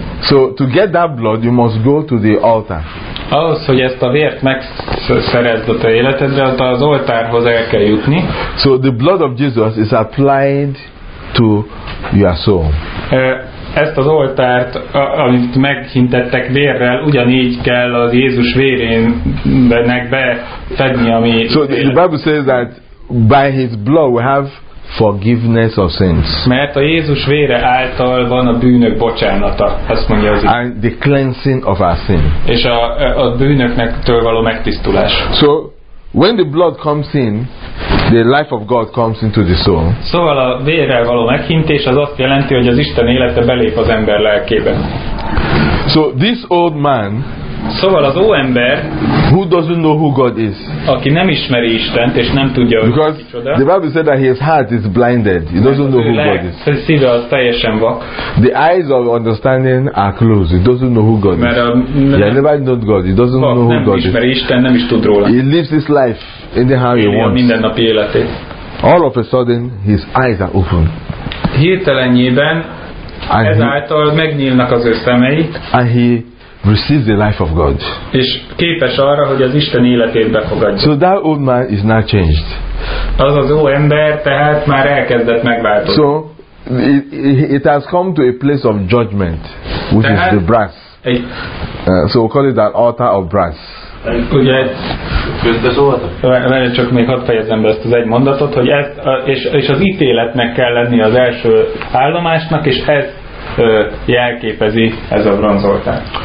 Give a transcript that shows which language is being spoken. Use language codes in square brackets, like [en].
[en] So to get that blood, you must go to the altar. [hu] Ahhoz, hogy ezt a vért megszerezd a te életedre, az oltárhoz el kell jutni. [en] So the blood of Jesus is applied to your soul. [hu] Ezt az oltárt, amit meghintettek vérrel, ugyanígy kell az Jézus vérének befedni, ami. [en] So the Bible says that by His blood we have forgiveness of sins. [hu] Mert a Jézus vére által van a bűnök bocsánata, azt mondja az. [en] And the cleansing of our sin. [hu] És a bűnöknek től való megtisztulás. [en] So when the blood comes in, the life of God comes into the soul. [hu] Szóval a vérrel való meghintés az azt jelenti, hogy az Isten élete belép az ember lelkébe. [en] So this old man. [hu] Szóval az óember, [en] who doesn't know who God is? [hu] Aki nem ismeri Istent és nem tudja, hogy kicsoda. [en] Because the Bible said that his heart is blinded. He doesn't know who God is. [hu] Mert a szíve az teljesen vak. [en] The eyes of understanding are closed. He doesn't know who God is. [hu] Mert [en] he never knows God. He doesn't know who God is. [hu] Nem ismeri Istent, nem is tud róla. [en] He lives his life anyhow he wants. [hu] Éli a mindennapi életét. [en] All of a sudden, his eyes are open. [hu] Hirtelennyében ezáltal megnyílnak az ő szemei. [en] And he receives the life of God. [hu] És képes arra, hogy az Isten életét befogadja. [en] So that old man is now changed. [hu] Az az új ember tehát már elkezdett megváltozni. [en] So it has come to a place of judgment, which [hu] tehát [en] is the brass. So we call it that altar of brass. [hu] Ugye közbeszólhatok? Csak még hadd fejezem be ezt az egy mondatot, hogy ez és az ítéletnek kell lenni az első állomásnak, és ez jelképezi ez a bronzoltár.